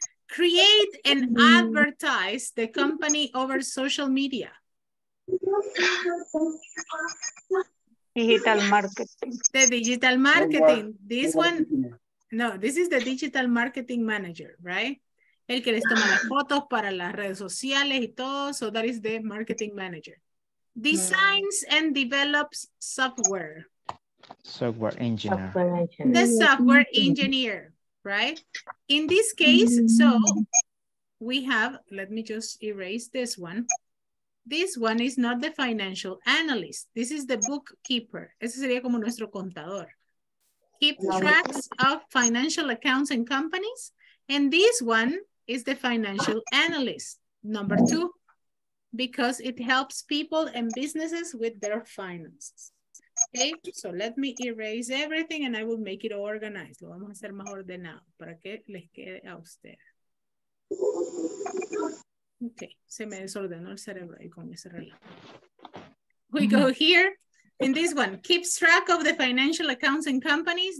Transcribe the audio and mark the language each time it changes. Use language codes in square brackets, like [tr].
[en] Create and advertise the company over social media. Digital marketing. The digital marketing. This one. No, this is the digital marketing manager, right? [es] El que les toma las fotos para las redes sociales y todo. [en] So that is the marketing manager. Designs and develops software. Software engineer. The software engineer, right? In this case, so we have, let me just erase this one. This one is not the financial analyst. This is the bookkeeper. [es] Ese sería como nuestro contador. [en] Keep track of financial accounts and companies. And this one is the financial analyst, number 2, because it helps people and businesses with their finances. Okay, so let me erase everything and I will make it organized. [es] Lo vamos a hacer más ordenado para que les quede a usted. Okay, se me desordenó el cerebro ahí con ese reloj. [en] We go here. In this one, keeps track of the financial accounts and companies.